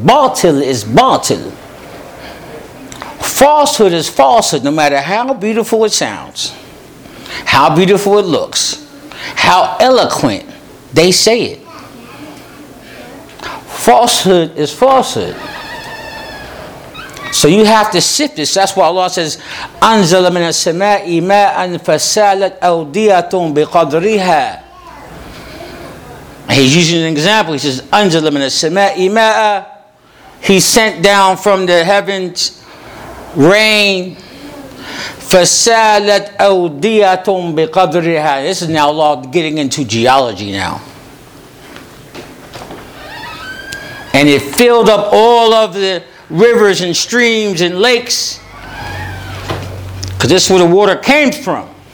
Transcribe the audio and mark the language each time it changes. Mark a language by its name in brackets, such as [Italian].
[English] Batil is batil. Falsehood is falsehood, no matter how beautiful it sounds, how beautiful it looks, how eloquent they say it. Falsehood is falsehood. So you have to sift this. That's why Allah says, [Arabic] أَنزَلَ مِنَ السَّمَاءِ مَاءً فَسَالَتْ أَوْدِيَةٌ بِقَدْرِهَا. [English] He's using an example. He says, [Arabic] أَنزَلَ مِنَ السَّمَاءِ مَاءً. [English] He sent down from the heavens rain. [Arabic] فَسَالَتْ أَوْدِيَةٌ بِقَدْرِهَا. [English] This is now Allah getting into geology now. And it filled up all of the rivers and streams and lakes, because this is where the water came from.